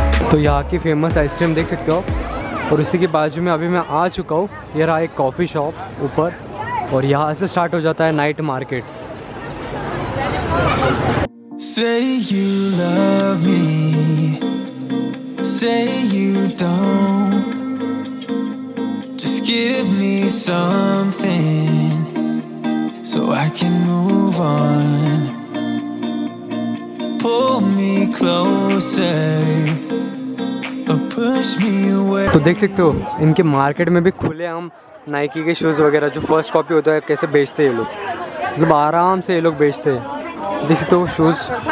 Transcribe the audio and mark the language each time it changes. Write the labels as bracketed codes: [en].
[hi] तो यहाँ की फेमस आइसक्रीम देख सकते हो, और उसी के बाजू में अभी मैं आ चुका हूँ, ये रहा एक कॉफ़ी शॉप ऊपर, और यहाँ से स्टार्ट हो जाता है night market. [en] Say you love me, say you don't. Just give me something so I can move on. Pull me closer or push me away. [hi] तो देख सकते हो इनके मार्केट में भी खुले आम नाइकी के शूज वगैरह जो फर्स्ट कॉपी होता है कैसे बेचते हैं ये लोग, मतलब आराम से ये लोग बेचते हैं। [en] This is the shoes.